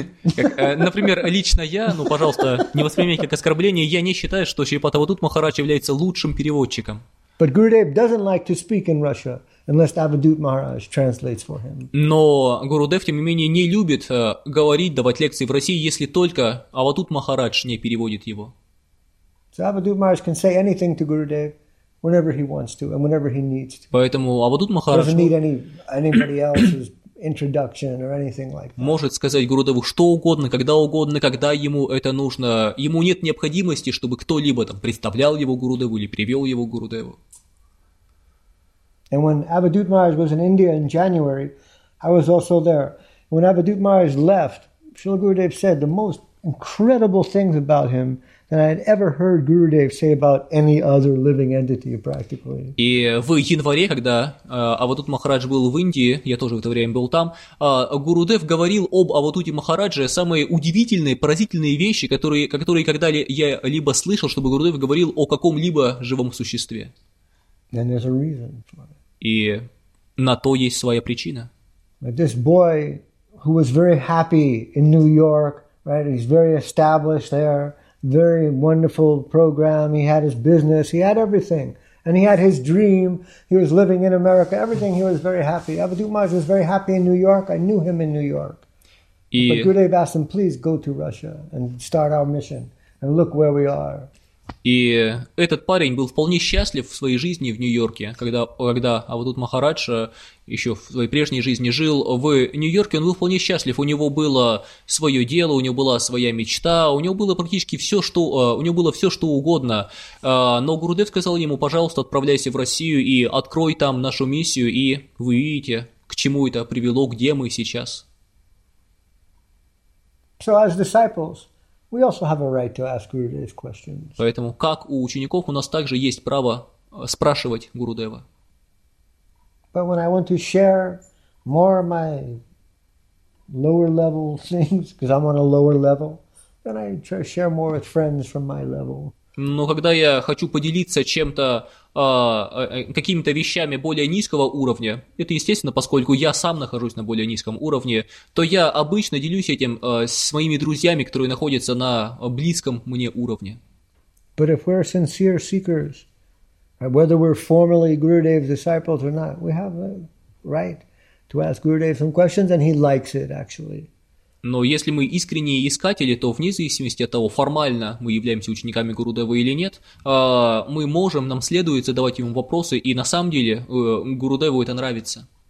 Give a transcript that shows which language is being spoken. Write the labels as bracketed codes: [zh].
[ru] Например, лично я, ну, пожалуйста, не воспринимайте как оскорбление, я не считаю, что Шрипад Абхадут Махарадж является лучшим переводчиком. [en] But Gurudev doesn't like to speak in Russia unless Abhidhut Maharaj translates for him. [ru] Но Гурудев, тем не менее, не любит говорить, давать лекции в России, если только Абхадут Махарадж не переводит его. [en] So Abhidhut Maharaj can say anything to Gurudev whenever he wants to and whenever he needs to. [ru] Поэтому Абхадут Махарадж [en] doesn't need anybody else's introduction or anything like that. [ru] Может сказать Гурудеву что угодно, когда ему это нужно. Ему нет необходимости, чтобы кто-либо там представлял его Гурудеву или привел его Гурудеву. [en] And when Abhidhut Maharaj was in India in January, I was also there. When Abhidhut Maharaj left, Srila Gurudev said the most incredible things about him than I had ever heard Gurudev say about any other living entity, practically. [ru] И в январе, когда Абхадут Махарадж был в Индии, я тоже в это время был там, Гурудев говорил об Абхадуте Махарадже самые удивительные, поразительные вещи, которые когда-либо я либо слышал, чтобы Гурудев говорил о каком-либо живом существе. [en] And there's a reason for it. [ru] И на то есть своя причина. [en] This boy who was very happy in New York, right, he's very established there, very wonderful program, he had his business, he had everything, and he had his dream, he was living in America, everything, he was very happy. Abhidhut Maharaj was very happy in New York, I knew him in New York. [ru] И... [en] But Gurudev asked him, please go to Russia and start our mission, and look where we are. [ru] И этот парень был вполне счастлив в своей жизни в Нью-Йорке, когда Абхадут Махарадж еще в своей прежней жизни жил в Нью-Йорке, он был вполне счастлив. У него было свое дело, у него была своя мечта, у него было практически все, что у него было все, что угодно. Но Гурудев сказал ему, пожалуйста, отправляйся в Россию и открой там нашу миссию, и вы видите, к чему это привело, где мы сейчас. [en] So as disciples, we also have a right to ask Gurudev questions. [ru] Поэтому, как у учеников, у нас также есть право спрашивать Гурудева. [en] But when I want to share more of my lower level things, because I'm on a lower level, then I try to share more with friends from my level. [ru] Но когда я хочу поделиться чем-то, какими-то вещами более низкого уровня, это естественно, поскольку я сам нахожусь на более низком уровне, то я обычно делюсь этим с моими друзьями, которые находятся на близком мне уровне. [en] But if we're sincere seekers, whether we're formally Gurudev's disciples or not, we have a right to ask Gurudev some questions, and he likes it, actually. [ru] Но если мы искренние искатели, то вне зависимости от того, формально мы являемся учениками Гурудева или нет, мы можем, нам следует задавать ему вопросы, и на самом деле Гурудеву это нравится.